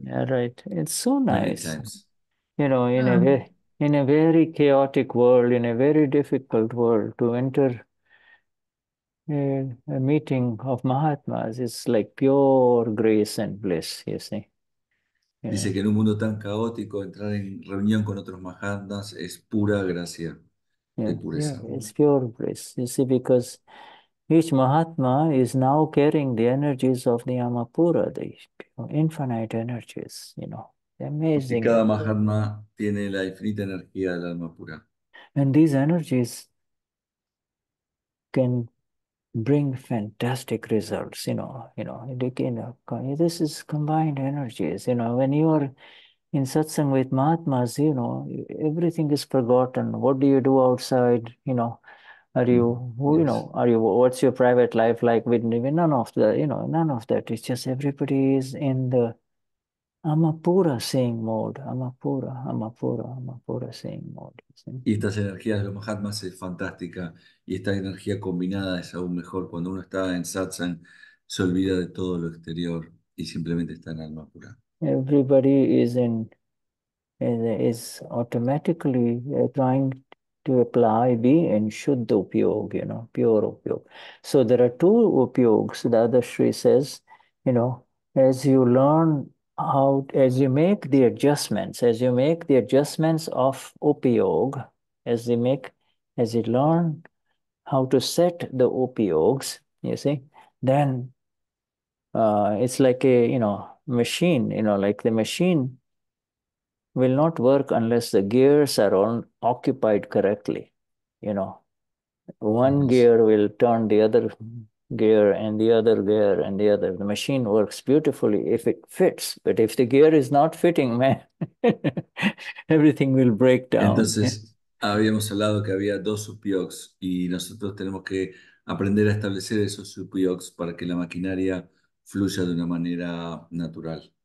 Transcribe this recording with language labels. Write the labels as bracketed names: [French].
[English] Yeah, right. It's so nice. Many times. You know, in a very chaotic world, in a very difficult world, to enter a meeting of Mahatmas is like pure grace and bliss, you see. You [Spanish] Dice Que en un mundo tan caótico, entrar en reunión con otros Mahatmas es pura gracia, [English] yeah, [Spanish] de pureza. [English] Yeah, it's pure bliss, you see, because each Mahatma is now carrying the energies of the Amapura, the infinite energies, you know. Amazing. [Spanish] Y cada Mahatma tiene la infinita energía del alma pura. [English] And these energies can bring fantastic results, you know, this is combined energies, you know, when you are in satsang with Mahatmas, you know, everything is forgotten. What do you do outside, you know? What's your private life like? None of that. It's just everybody is in the Amapura seeing mode, Amapura seeing mode. [Spanish] Y estas energías de los Mahatmas es fantástica, y esta energía combinada es aún mejor. Cuando uno está en satsang, se olvida de todo lo exterior y simplemente está en alma pura. [English] Everybody is automatically trying to apply being Shuddha Upayoga, you know, pure Upayoga. So there are two Upayogas, Dadashri says, you know, as you learn. As you make the adjustments, as you make the adjustments of upayog, as you learn how to set the upayogs, you see, then it's like a, you know, machine, you know, like the machine will not work unless the gears are all occupied correctly, you know. One gear will turn the other gear and the other gear and the other. The machine works beautifully if it fits, but if the gear is not fitting, man, everything will break down. [Spanish] Entonces, habíamos hablado que había dos upayogas y nosotros tenemos que aprender a establecer esos upayogas para que la maquinaria fluya de una manera natural.